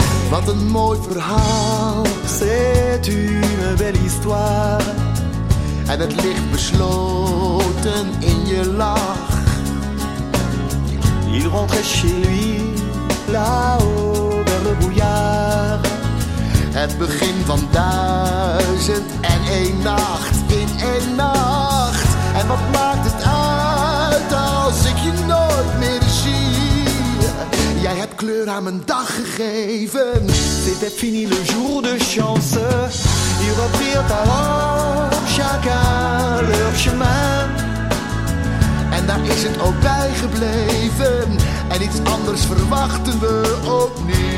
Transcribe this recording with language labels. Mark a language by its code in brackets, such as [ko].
[nl] Wat een mooi verhaal, [fr] c'est une belle histoire. [nl] En het ligt besloten in je lach. [fr] Il rentrait chez lui, là-haut vers le brouillard. [nl] Het begin van duizend en één nacht, in één nacht. En wat maakt het uit als ik je nooit meer zie? Jij hebt kleur aan mijn dag gegeven. [fr] C'était fini le jour de chance. Ils reprirent alors chacun leur chemin. [nl] En daar is het ook bij gebleven. En iets anders verwachten we ook niet.